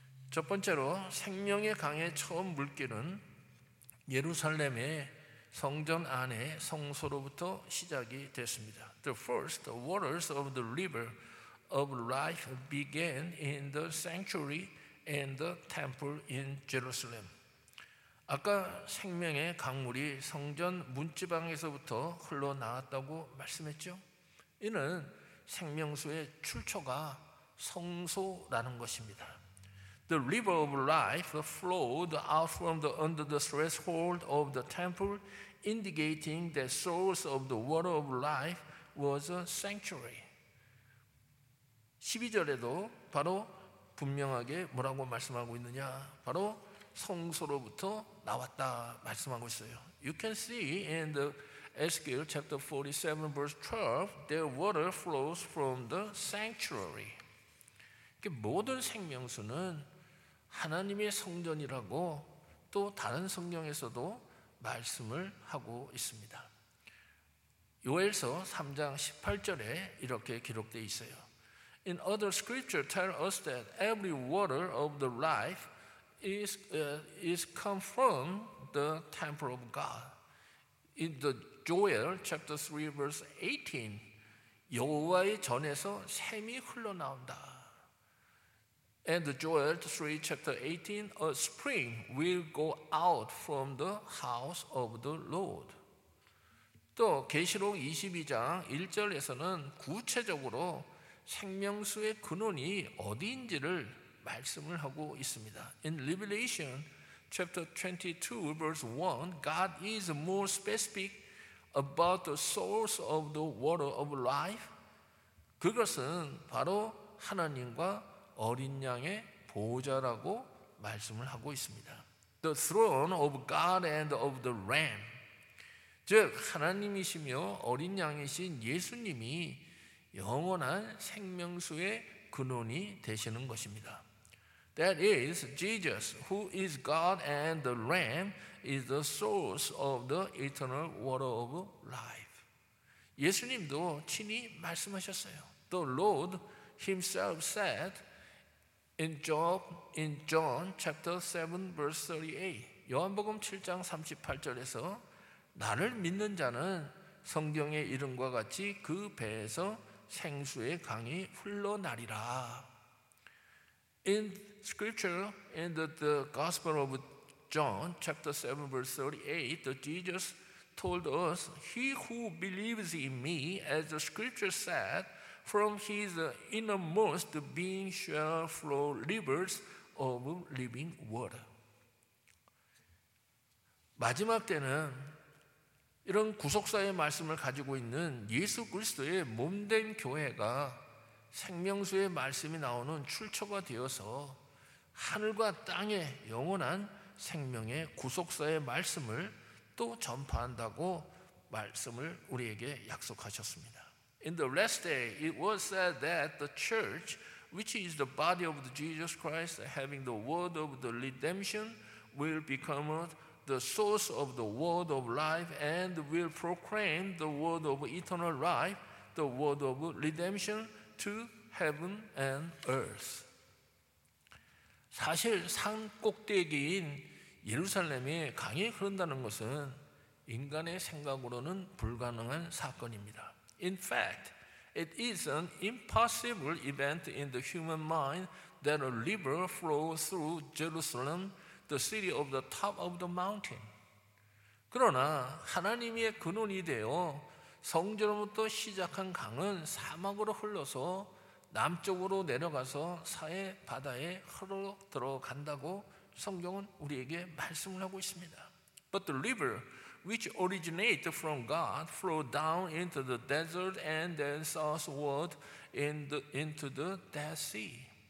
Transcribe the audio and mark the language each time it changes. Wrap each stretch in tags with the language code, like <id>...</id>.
<ko>첫 번째로 생명의 강의 처음 물길은 예루살렘의 성전 안의 성소로부터 시작이 됐습니다.</ko> <en>The first waters of the river of life began in the sanctuary and the temple in Jerusalem.</en> <ko>아까 생명의 강물이 성전 문지방에서부터 흘러나왔다고 말씀했죠? 이는 생명수의 출처가 성소라는 것입니다.</ko> <en>The river of life flowed out from the under the threshold of the temple, indicating the source of the water of life was a sanctuary.</en> <ko>12절에도 바로 분명하게 뭐라고 말씀하고 있느냐? 바로 성소로부터 나왔다 말씀하고 있어요.</ko> <en>You can see in the Ezekiel chapter 47 verse 12, the water flows from the sanctuary.</en> <ko>모든 생명수는 하나님의 성전이라고 또 다른 성경에서도 말씀을 하고 있습니다. 요엘서 3장 18절에 이렇게 기록되어 있어요.</ko> <en>In other scripture tell us that every water of the life is come from the temple of God. In the Joel chapter 3 verse 18,</en> <ko>여호와의 전에서 샘이 흘러나온다.</ko> <en>And Joel 3 chapter 18, a spring will go out from the house of the Lord.</en> <ko>또 계시록 22장 1절에서는 구체적으로 생명수의 근원이 어디인지를 말씀을 하고 있습니다.</ko> <en>In Revelation chapter 22 verse 1, God is more specific about the source of the water of life.</en> <ko>그것은 바로 하나님과 어린 양의 보좌라고 말씀을 하고 있습니다.</ko> <en>The throne of God and of the Lamb.</en> <ko>즉 하나님이시며 어린 양이신 예수님이 영원한 생명수의 근원이 되시는 것입니다.</ko> <en>That is Jesus, who is God and the Lamb, is the source of the eternal water of life.</en> <ko>예수님도 친히 말씀하셨어요.</ko> <en>The Lord himself said in John chapter 7 verse 38.</en> <ko>요한복음 7장 38절에서 나를 믿는 자는 성경의 이름과 같이 그 배에서 생수의 강이 흘러나리라.</ko> <en>In scripture, in the Gospel of John, chapter 7, verse 38, Jesus told us, He who believes in me, as the scripture said, from his innermost being shall flow rivers of living water.</en> <ko>마지막 때는 이런 구속사의 말씀을 가지고 있는 예수 그리스도의 몸된 교회가 생명수의 말씀이 나오는 출처가 되어서 하늘과 땅의 영원한 생명의 구속사의 말씀을 또 전파한다고 말씀을 우리에게 약속하셨습니다.</ko> <en>In the last day, it was said that the church, which is the body of Jesus Christ, having the word of the redemption, will become the source of the word of life and will proclaim the word of eternal life, the word of redemption, to heaven and earth.</en> <ko>사실 산 꼭대기인 예루살렘에 강이 흐른다는 것은 인간의 생각으로는 불가능한 사건입니다.</ko> <en>In fact, it is an impossible event in the human mind that a river flows through Jerusalem, the city of the top of the mountain.</en> <ko>그러나 하나님의 근원이 되어 성전으로부터 시작한 강은 사막으로 흘러서 남쪽으로 내려가서 사해 바다에 흘러 들어간다고 성경은 우리에게 말씀을 하고 있습니다.</ko> <en>But the river which originated from God flowed down into the desert and then southward into the Dead Sea.</en>